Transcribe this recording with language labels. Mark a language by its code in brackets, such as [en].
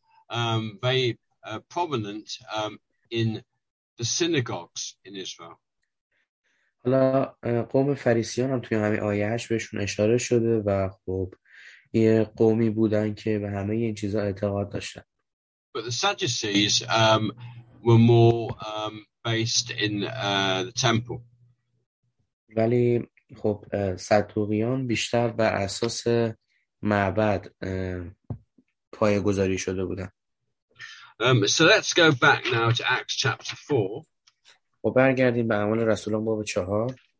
[en] The Pharisees were prominent in the synagogues in Israel. [fa] حالا قوم فریسیان هم توی همین آیه 8 بهشون اشاره شده و خب یه قومی بودن که به همه این چیزا اعتقاد داشتن. [en] But the Sadducees were more based in the temple. [fa] ولی خب صدوقیان بیشتر بر اساس معبد پایه‌گذاری شده بودن. [en] So let's go back now to Acts chapter 4. [fa] و برگردیم به اعمال رسولان باب 4.